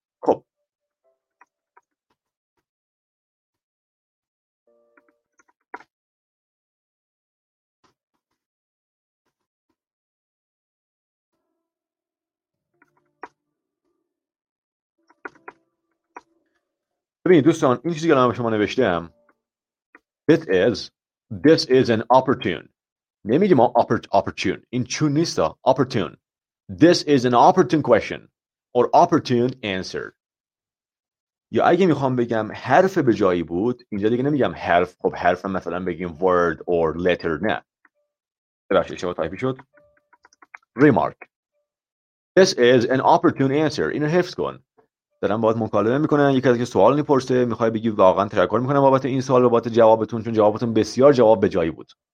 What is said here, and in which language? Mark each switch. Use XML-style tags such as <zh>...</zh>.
<fa>خب ببینید دوستان، این چیزی که الان به شما نوشتم</fa> <en>This is an opportune.</en> <fa>نمیگه ما opportune. این چون نیستا. Opportune.</fa> <en>This is an opportune question or opportune answer.</en> <fa>یا اگه میخوام بگم حرف به جایی بود، اینجا دیگه نمیگم حرف. خب حرف مثلا بگیم word or letter. نه. ببخشید شما تایپی شد. Remark.</fa> <en>This is an opportune answer.</en> <fa>اینو حفظ کن. دارم باید مکالمه میکنن، یکی از که سوال میپرسه، میخوای بگی واقعا تشکر میکنم بابت این سوال و بابت جوابتون، چون جوابتون بسیار جواب به جایی بود.</fa>